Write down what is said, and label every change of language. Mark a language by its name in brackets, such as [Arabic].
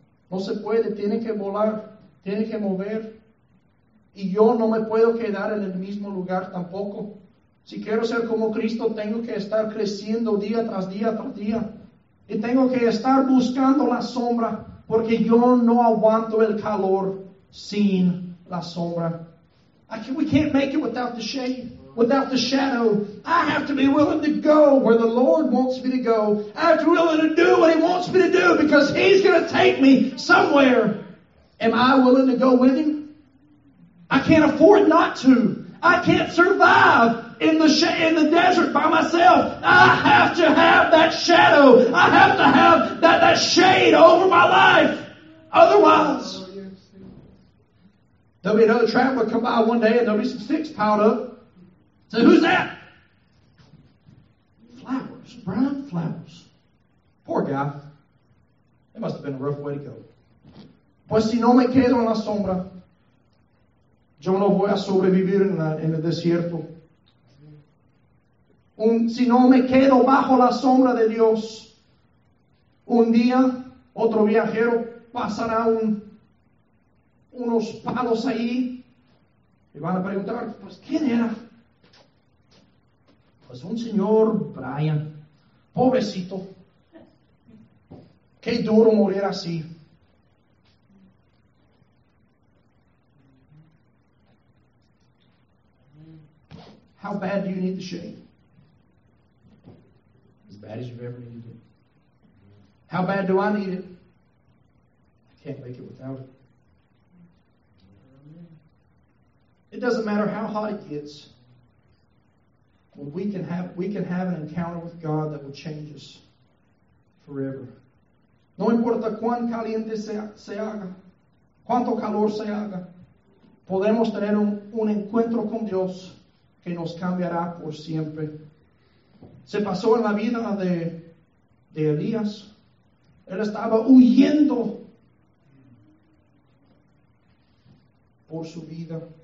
[Spanish] No se puede, tiene que volar, tiene que mover. Y yo no me puedo quedar en el mismo lugar tampoco. Si quiero ser como Cristo, tengo que estar creciendo día tras día tras día. Y tengo que estar buscando la sombra, porque yo no aguanto el calor sin la sombra. [English] We can't make it without the shade, without the shadow. I have to be willing to go where the Lord wants me to go. I have to be willing to do what He wants me to do, because He's going to take me somewhere. Am I willing to go with Him? I can't afford not to. I can't survive in the desert by myself. I have to have that shadow. I have to have that shade over my life. Otherwise, there'll be another traveler come by one day and there'll be some sticks piled up. So who's that? Flowers, brown flowers. Poor guy. It must have been a rough way to go. [Spanish] Pues si no me quedo en la sombra, yo no voy a sobrevivir en el desierto. Si no me quedo bajo la sombra de Dios, un día otro viajero pasará unos palos ahí y van a preguntar, pues ¿quién era? Pues un señor Brian, pobrecito, qué duro morir así. [English] How bad do you need the shade? As bad as you've ever needed it. How bad do I need it? I can't make it without it. It doesn't matter how hot it gets. When we can have an encounter with God that will change us forever. [Spanish] No importa cuán caliente se haga, cuánto calor se haga, podemos tener un encuentro con Dios que nos cambiará por siempre. Se pasó en la vida de Elías. Él estaba huyendo por su vida.